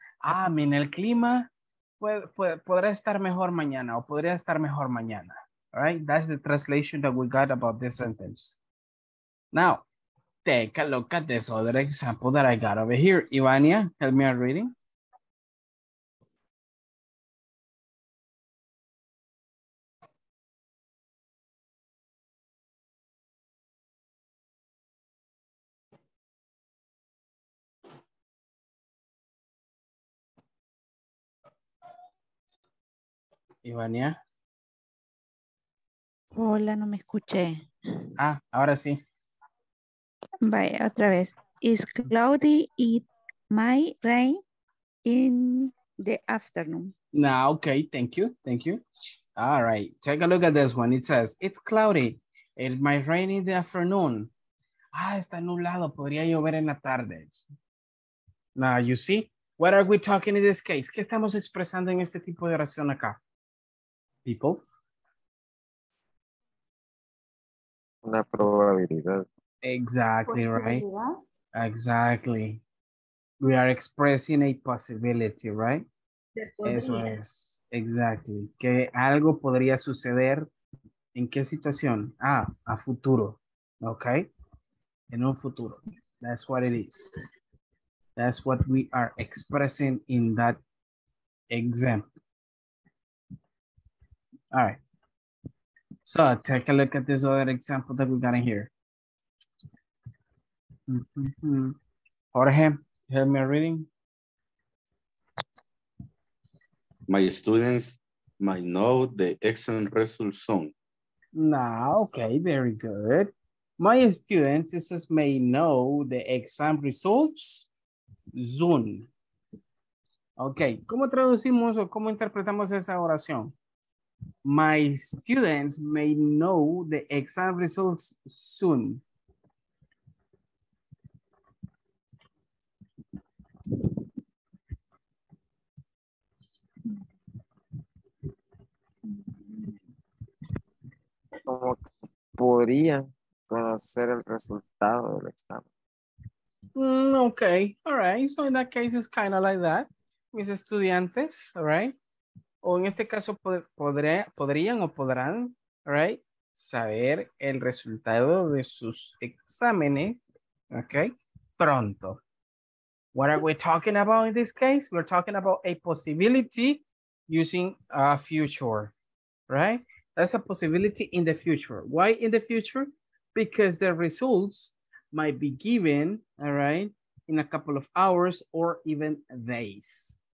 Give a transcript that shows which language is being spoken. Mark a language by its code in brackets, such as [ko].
[es] El clima podrá estar mejor mañana o podría estar mejor mañana. [en] All right, that's the translation that we got about this sentence. Now, take a look at this other example that I got over here. Ivania, help me out reading. Ivania. [es] Hola, no me escuché. Ahora sí. Vaya, otra vez. [en] It's cloudy, it might rain in the afternoon. Okay, thank you. All right, take a look at this one. It says, it's cloudy, it might rain in the afternoon. [es] Está nublado, podría llover en la tarde. [en] Now, you see, what are we talking in this case? [es] ¿Qué estamos expresando en este tipo de oración acá? [en] People. [es] Una probabilidad. [en] Exactly, right? Exactly. We are expressing a possibility, right? [es] Eso es. [en] Exactly. [es] Que algo podría suceder. ¿En qué situación? A futuro. Okay? En un futuro. [en] That's what it is. That's what we are expressing in that example. All right. So take a look at this other example that we got in here. Jorge, help me reading. My students might know the excellent results soon. Nah, okay, very good. My students may know the exam results soon. [es] Okay, ¿cómo traducimos o cómo interpretamos esa oración? [en] My students may know the exam results soon. [es] Como podrían conocer el resultado del examen. [en] Okay, all right. So in that case, it's kind of like that. [es] Mis estudiantes, [en] all right? [es] O en este caso, podrían o podrán, [en] all right, [es] saber el resultado de sus exámenes, okay, pronto. [en] What are we talking about in this case? We're talking about a possibility using a future, right? That's a possibility in the future. Why in the future? Because the results might be given, all right, in a couple of hours or even days.